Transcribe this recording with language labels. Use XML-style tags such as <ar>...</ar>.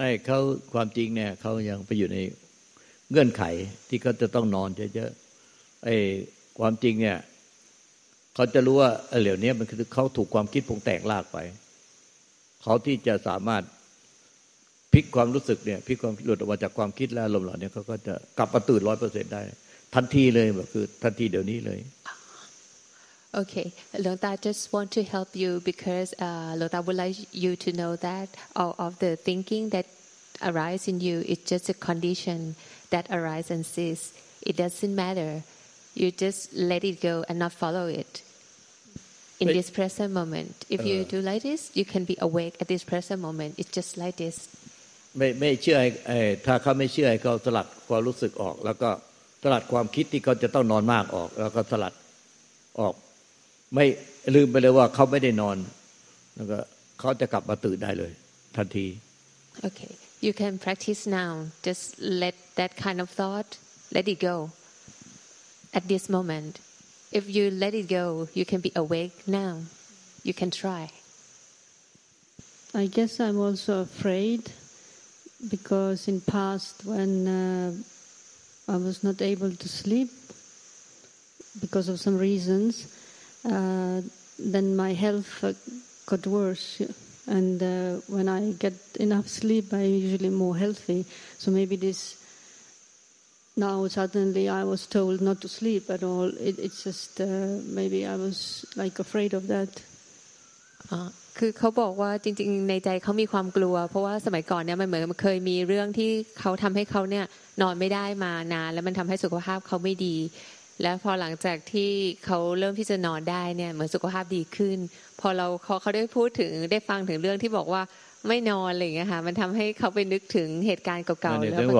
<th>เงื่อนไขที่เขาจะต้องนอนเยอะๆไอ้ความจริงเนี่ยเขาจะรู้ว่าไอ้เหล่านี้มันคือเขาถูกความคิดปรุงแต่งลากไปเขาที่จะสามารถพลิกความรู้สึกเนี่ยพลิกความหลุดออกมาจากความคิดและอารมณ์เหล่านี้เขาก็จะกลับมาตื่น 100% ได้ทันทีเลยแบบคือทันทีเดี๋ยวนี้เลย</th> <en>โอเคหลวงตา just want to help you because หลวงตา would like you to know that all of the thinking that arise in you is just a conditionThat arises and cease. It doesn't matter. You just let it go and not follow it. In this present moment, if you do like this, you can be awake at this present moment. It's just like this.</en> <th>ไม่เชื่อไอ้ถ้าเขาไม่เชื่อไอ้เขาสลัดความรู้สึกออกแล้วก็สลัดความคิดที่เขาจะต้องนอนมากออกแล้วก็สลัดออกไม่ลืมไปเลยว่าเขาไม่ได้นอนแล้วก็เขาจะกลับมาตื่นได้เลยทันที</th> <en>Okay. You can practice now. Just let that kind of thought, let it go at this moment. If you let it go, you can be awake now. You can try. I guess I'm also afraid because in past when I was not able to sleep because of some reasons, then my health got worse. And when I get enough sleep, I'm usually more healthy. So maybe this now suddenly I was told not to sleep at all. It's just maybe I was like afraid of that.</en> <th>คือเขาบอกว่าจริงๆในใจเขามีความกลัวเพราะว่าสมัยก่อนเนี่ยมันเหมือนเคยมีเรื่องที่เขาทำให้เขาเนี่ยนอนไม่ได้มานานแล้วมันทำให้สุขภาพเขาไม่ดีแล้วพอหลังจากที่เขาเริ่มที่จะนอนได้เนี่ยเหมือนสุขภาพดีขึ้นพอเราเขาได้พูดถึงได้ฟังถึงเรื่องที่บอกว่าไม่นอนอะไรเงี้ยค่ะมันทำให้เขาไปนึกถึงเหตุการณ์เก่าๆแล้วมันก็ทำให้กลัว</th>